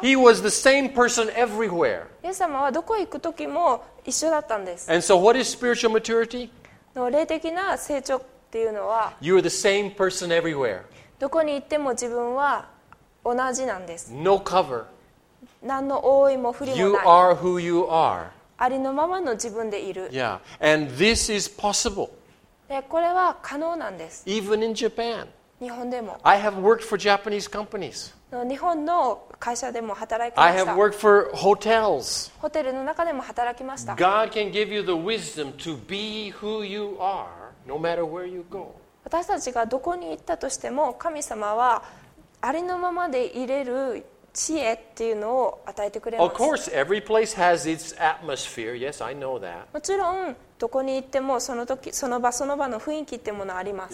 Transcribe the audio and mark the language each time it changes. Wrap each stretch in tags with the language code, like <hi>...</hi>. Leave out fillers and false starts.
<en>He was the same person everywhere.</en> <ja>イエス様はどこ行くときも一緒だったんです。</ja> <en>And so what is spiritual maturity?</en> <ja>の霊的な成長っていうのは、</ja> <en>You are the same person everywhere.</en> <ja>どこに行っても自分は同じなんです。</ja> <en>No cover.</en> <ja>何の覆いも振りもない。</ja> <en>You are who you are.</en> <ja>ありのままの自分でいる。</ja> <en>Yeah. And this is possible.</en> <ja>で、これは可能なんです。</ja> <en>Even in Japan.</en> <ja>日本でも。</ja> <en>I have worked for Japanese companies.</en> <ja>日本の会社でも働きました。</ja> <en>I have worked for hotels.</en> <ja>ホテルの中でも働きました。</ja> <en>God can give you the wisdom to be who you are, no matter where you go.</en> <ja>私たちがどこに行ったとしても、神様はありのままでいれる知恵っていうのを与えてくれます。</ja> <en>Of course, every place has its atmosphere. Yes, I know that.</en> <ja>もちろんどこに行ってもその時その場その場の雰囲気ってものあります。</ja>